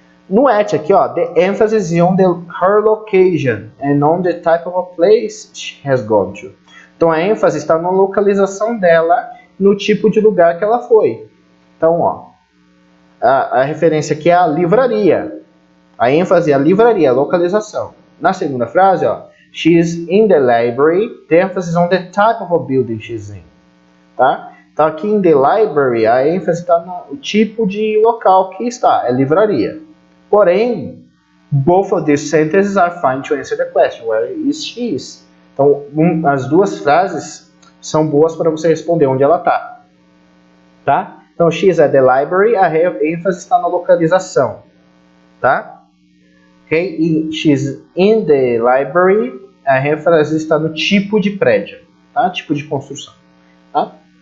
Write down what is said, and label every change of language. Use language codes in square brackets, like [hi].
[pt] No at aqui, ó, [en] the emphasis is on her location and on the type of a place she has gone to. [pt] Então a ênfase está na localização dela, no tipo de lugar que ela foi. Então, ó, a referência aqui é a livraria. A ênfase é a livraria, a localização. Na segunda frase, ó, [en] she's in the library. The emphasis on the type of a building she's in. [pt] Tá? Então, aqui em [en] the library, [pt] a ênfase está no tipo de local que está, é livraria. Porém, [en] both of these sentences are fine to answer the question, where is she is? [pt] Então, as duas frases são boas para você responder onde ela está. Tá? Então, [en] she is at the library, [pt] a ênfase está na localização. Tá? [en] Okay? [pt] E [en] she is in the library, [pt] a ênfase está no tipo de prédio, tá? Tipo de construção. Tá?